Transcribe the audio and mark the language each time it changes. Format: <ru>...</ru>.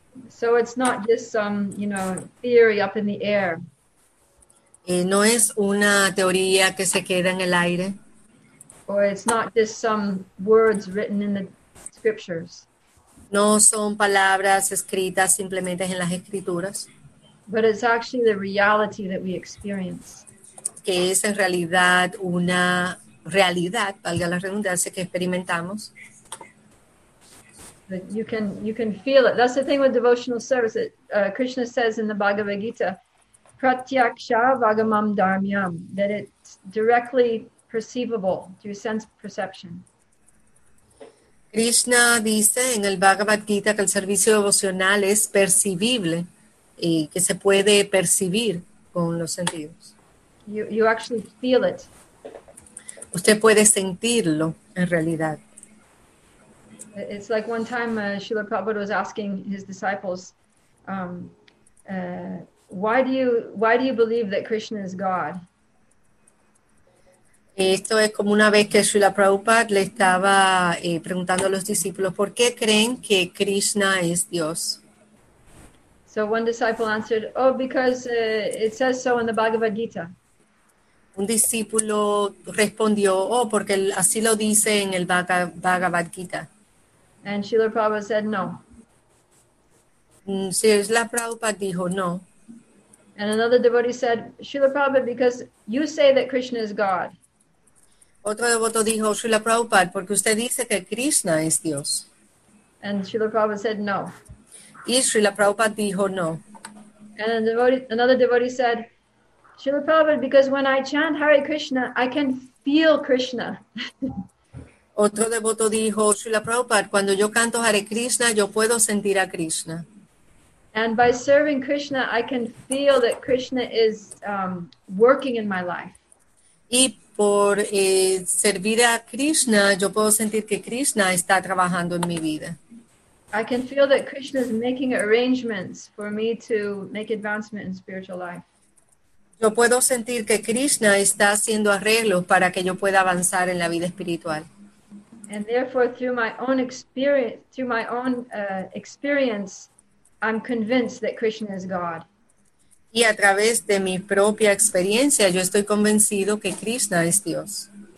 <en>So it's not just some, you know, theory up in the air.</en> <es>No es una teoría que se queda en el aire.</es> <en>Or it's not just some words written in the scriptures.</en> <es>No son palabras escritas simplemente en las escrituras,</es> <en>But it's actually the reality that we experience.</en> <es>que es en realidad una realidad, valga la redundancia, que experimentamos.</es> <en>You can feel it. That's the thing with devotional service. Krishna says in the Bhagavad Gita,</en> <sa>pratyaksha vagamam dharmyam,</sa> <en>that it's directly perceivable through sense perception.</en> <es>Krishna dice en el Bhagavad Gita que el servicio devocional es percibible y que se puede percibir con los sentidos.</es> <en>You actually feel it.</en> <es>Usted puede sentirlo en realidad.</es> <en>It's like one time Srila Prabhupada was asking his disciples, why do you believe that Krishna is God?</en> <es>Esto es como una vez que Srila Prabhupada le estaba preguntando a los discípulos, ¿por qué creen que Krishna es Dios?</es> <en>So one disciple answered, oh, because it says so in the Bhagavad Gita.</en> <es>Un discípulo respondió, oh, porque así lo dice en el Bhagavad Gita.</es> <en>And Srila Prabhupada said, no.</en> <es>Sí, Srila Prabhupada dijo, no.</es> <en>And another devotee said, Srila Prabhupada, because you say that Krishna is God.</en> <es>Otro devoto dijo, Srila Prabhupada, porque usted dice que Krishna es Dios.</es> <en>And Srila Prabhupada said, no.</en> <es>Y Srila Prabhupada dijo, no.</es> <en>And another devotee said, Srila Prabhupada, because when I chant Hare Krishna, I can feel Krishna.</en> <es>Otro devoto dijo, Srila Prabhupada, cuando yo canto Hare Krishna, yo puedo sentir a Krishna.</es> <en>And by serving Krishna, I can feel that Krishna is working in my life.</en> <es>Y por servir a Krishna, yo puedo sentir que Krishna está trabajando en mi vida.</es> <en>I can feel that Krishna is making arrangements for me to make advancement in spiritual life.</en> <es>Yo puedo sentir que Krishna está haciendo arreglos para que yo pueda avanzar en la vida espiritual.</es> <en>And therefore, through my own experience, I'm convinced that Krishna is God.</en> <es>Y a través de mi propia experiencia, yo estoy convencido que Krishna es Dios.</es>